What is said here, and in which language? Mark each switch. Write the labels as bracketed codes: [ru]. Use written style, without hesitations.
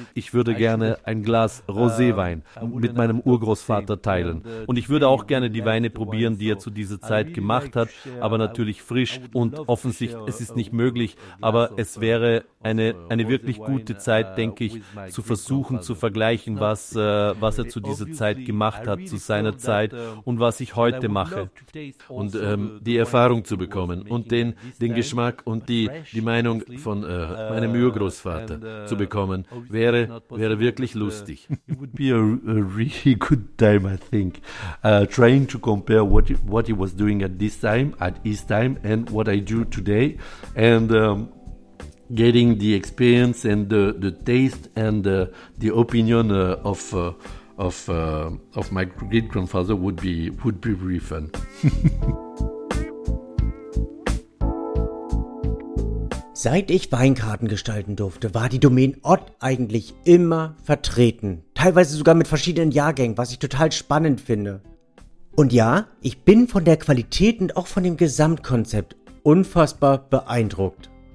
[de] Ich würde gerne ein Glas Roséwein mit meinem Urgroßvater teilen und ich würde auch gerne die Weine probieren, die er zu dieser Zeit gemacht hat, aber natürlich frisch und offensichtlich, es ist nicht möglich, aber es wäre eine wirklich gute Zeit, denke ich, zu versuchen zu vergleichen, was er zu dieser Zeit gemacht hat, zu seiner Zeit und was ich heute mache und die Erfahrung zu bekommen und den Geschmack und die Meinung von meinem Urgroßvater zu bekommen, wäre wirklich lustig. [en] It would be a really good time, I think, trying to compare what he was doing at this time, at his time, and what I do today, and getting the experience and the taste and the opinion of my great grandfather would be really fun. [de] Seit ich Weinkarten gestalten durfte, war die Domain Ott eigentlich immer vertreten. Teilweise sogar mit verschiedenen Jahrgängen, was ich total spannend finde. Und ja, ich bin von der Qualität und auch von dem Gesamtkonzept unfassbar beeindruckt.